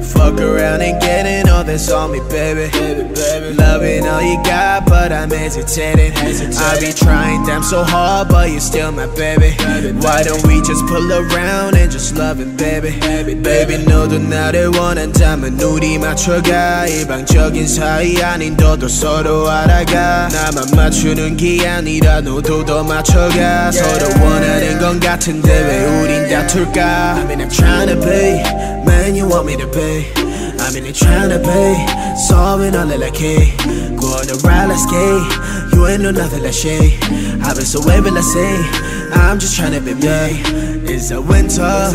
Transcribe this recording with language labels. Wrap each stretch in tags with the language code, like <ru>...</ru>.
<en>Fuck around and getting all this on me, baby. Loving all you got, but I'm hesitating. I be trying damn so hard, but you're still my baby. Why don't we just pull around and just love it, baby?</en> <ko>Baby, 너도 나를 원한다면 우리 맞춰가. 일방적인 사이 아닌 너도 서로 알아가. 나만 맞추는 게 아니라 너도 더 맞춰가. 서로 원하는 건 같은데 왜 우린 다툴까?</ko> <en>I mean I'm trying to be, man, you want me to be. I mean I'm trying to be, solving all the like hey. Go on the ride, let's skate. You ain't know nothing like shade. I've been so wavy, let's say. I'm just trying to be me. It's the winter.</en>